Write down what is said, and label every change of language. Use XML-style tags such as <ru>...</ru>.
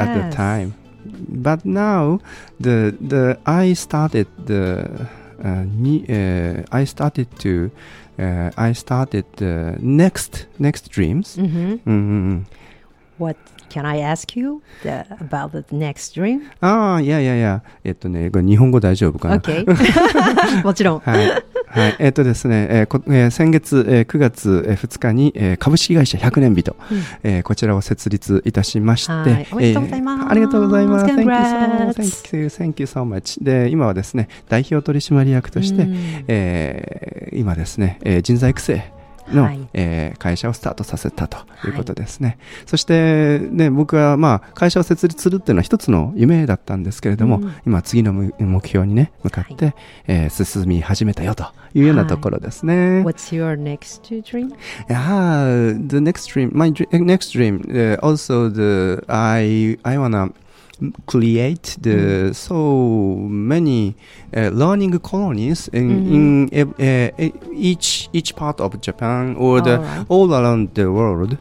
<en>At the time, but now the I started the I started the next dreams. Mm-hmm. Mm-hmm. What can I ask you about the next dream? Ah, yeah, yeah, yeah.</en> <ja>これ日本語大丈夫かな? Okay. もちろん。はい。はい。ですね、先月、9月、2日に、株式会社100年日と、こちらを設立いたしまして、はい。おめでとうございます。ありがとうございます。</ja> <en>Congrats. Thank you so much.</en> <ja>で、今はですね、代表取締役として、今ですね、人材育成。の、はい会社をスタートさせたということですね、はい、そして、ね、僕は、まあ、会社を設立するっていうのは一つの夢だったんですけれども、うん、今次の目標に、ね、向かって、はい進み始めたよというようなところですね、</ja> <en>はい、What's your next dream? Yeah, the next dream My next dream also the I wanna create the so many learning colonies in mm-hmm. in each part of Japan or the all around the world.</en>